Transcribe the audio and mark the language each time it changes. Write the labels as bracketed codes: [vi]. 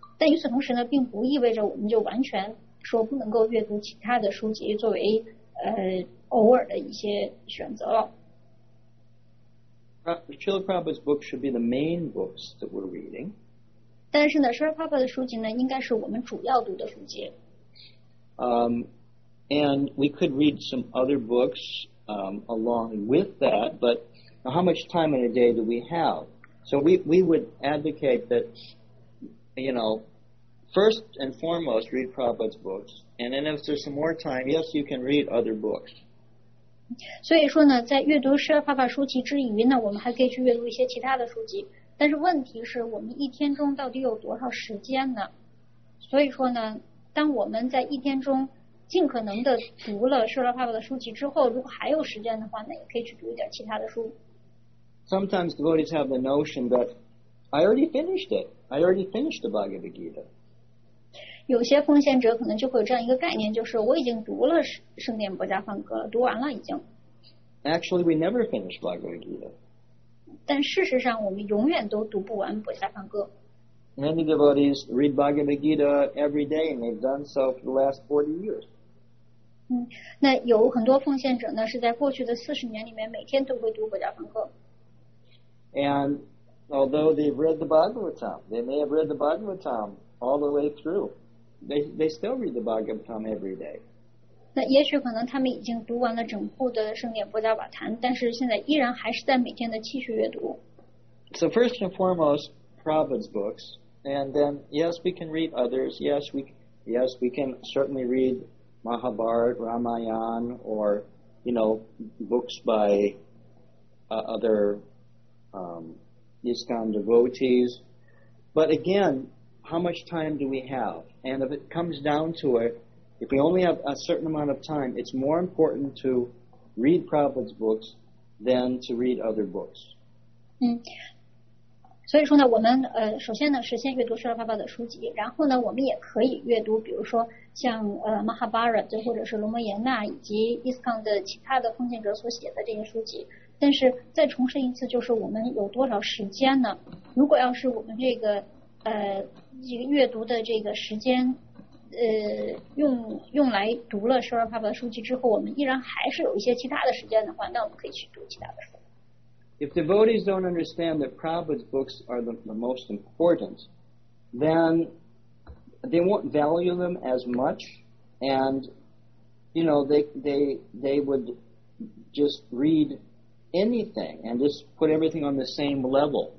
[zh] 但与此同时呢，并不意味着我们就完全说不能够阅读其他的书籍作为偶尔的一些选择了。 [en] Srila Prabhupada's book should be the main books that we're reading. [zh] 但是呢，Srila Prabhupada的书籍呢，应该是我们主要读的书籍。 [en] And we could read some other books along with that, but how much time in a day do we have? So we would advocate that, you know, first and foremost, read Prabhupada's books. And then if there's some more time, yes, you can read other books. [zh] 所以说呢，在阅读Srila Prabhupada书籍之余呢，我们还可以去阅读一些其他的书籍。但是问题是我们一天中到底有多少时间呢？所以说呢，当我们在一天中尽可能的读了Srila Prabhupada的书籍之后，如果还有时间的话呢，也可以去读一点其他的书。 [en] Sometimes devotees have the notion that I already finished it. I already finished the Bhagavad Gita. [zh] 有些奉献者可能就会有这样一个概念，就是我已经读了圣殿薄伽梵歌了，读完了已经。 [en] Actually, we never finish Bhagavad Gita. [zh] 但事实上，我们永远都读不完薄伽梵歌。 [en] Many devotees read Bhagavad Gita every day, and they've done so for the last 40 years. [zh] 那有很多奉献者呢，是在过去的四十年里面每天都会读薄伽梵歌。 [en] And although they've read the Bhagavatam, they may have read the Bhagavatam all the way through. They still read the Bhagavatam every day. [zh] 那也许可能他们已经读完了整部的圣典薄伽瓦坛，但是现在依然还是在每天的继续阅读。 [en] So first and foremost, Prabhupada's books, and then yes, we can read others. Yes, we can certainly read Mahabharat, Ramayana, or you know, books by other. ISKCON devotees, but again, how much time do we have? And if it comes down to it, if we only have a certain amount of time, it's more important to read Prabhupada's books than to read other books. [zh] 所以说呢，我们首先呢是先阅读释迦牟尼佛的书籍，然后呢我们也可以阅读，比如说像Mahabharata 或者是罗摩衍那以及 ISKCON 的其他的奉献者所写的这些书籍。但是再重申一次，就是我们有多少时间呢？如果要是我们这个阅读的这个时间，用来读了释迦牟尼佛的书籍之后，我们依然还是有一些其他的时间的话，那我们可以去读其他的书。 [en] If devotees don't understand that Prabhupada's books are the most important, then they won't value them as much, and you know they would just read anything and just put everything on the same level.